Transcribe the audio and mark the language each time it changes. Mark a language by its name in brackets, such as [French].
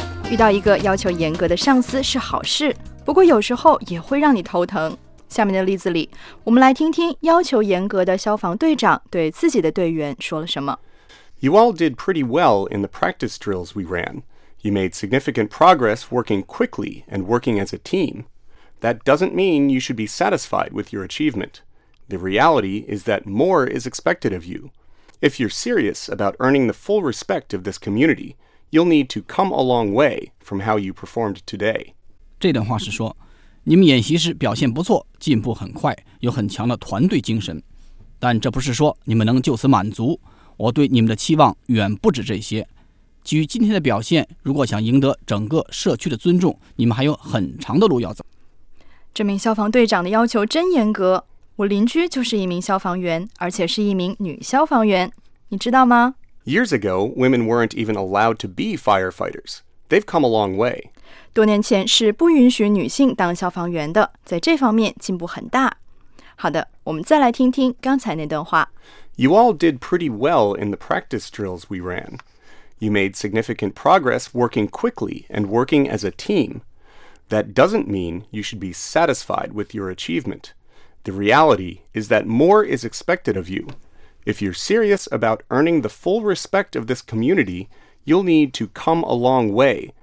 [Chinese] 遇到一个要求严格的上司是好事，不过有时候也会让你头疼。下面的例子里，我们来听听要求严格的消防队长对自己的队员说了什么。 [English] You all did pretty well in the practice drills we ran. You made significant progress working quickly and working as a team. That doesn't mean you should be satisfied with your achievement. The reality is that more is expected of you. If you're serious about earning the full respect of this community, you'll need to come a long way from how you performed today. [Chinese] 这段话是说你们演习时表现不错，进步很快，有很强的团队精神，但这不是说你们能就此满足。我对你们的期望远不止这些。基于今天的表现，如果想赢得整个社区的尊重，你们还有很长的路要走。这名消防队长的要求真严格。我邻居就是一名消防员，而且是一名女消防员，你知道吗？ [English] Years ago, women weren't even allowed to be firefighters. They've come a long way. [Chinese] 多年前是不允许女性当消防员的，在这方面进步很大。好的，我们再来听听刚才那段话。 [English] You all did pretty well in the practice drills we ran. You made significant progress working quickly and working as a team. That doesn't mean you should be satisfied with your achievement. The reality is that more is expected of you. If you're serious about earning the full respect of this community, you'll need to come a long way.